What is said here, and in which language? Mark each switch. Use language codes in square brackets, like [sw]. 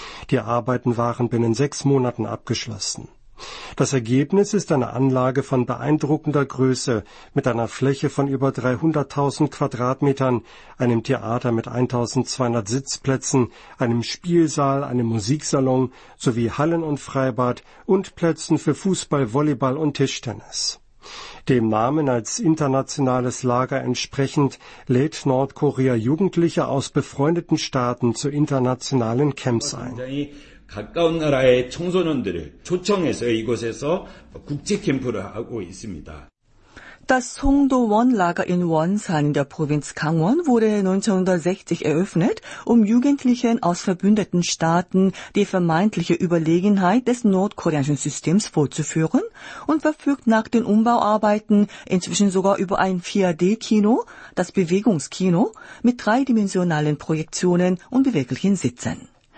[de] Die Arbeiten waren binnen 6 Monaten abgeschlossen. Das Ergebnis ist eine Anlage von beeindruckender Größe mit einer Fläche von über 300.000 Quadratmetern, einem Theater mit 1.200 Sitzplätzen, einem Spielsaal, einem Musiksalon sowie Hallen und Freibad und Plätzen für Fußball, Volleyball und Tischtennis. Dem Namen als internationales Lager entsprechend lädt Nordkorea Jugendliche aus befreundeten Staaten zu internationalen Camps ein. [ko] 가까운 나라의 청소년들을 초청해서 이곳에서 국제 캠프를 하고 있습니다. [de] Das Songdo-won-Lager in Wonsan in der Provinz Gangwon wurde 1960 eröffnet, um Jugendlichen aus verbündeten Staaten die vermeintliche Überlegenheit des nordkoreanischen Systems vorzuführen und verfügt nach den Umbauarbeiten inzwischen sogar über ein 4D-Kino, das Bewegungskino, mit dreidimensionalen Projektionen und beweglichen Sitzen.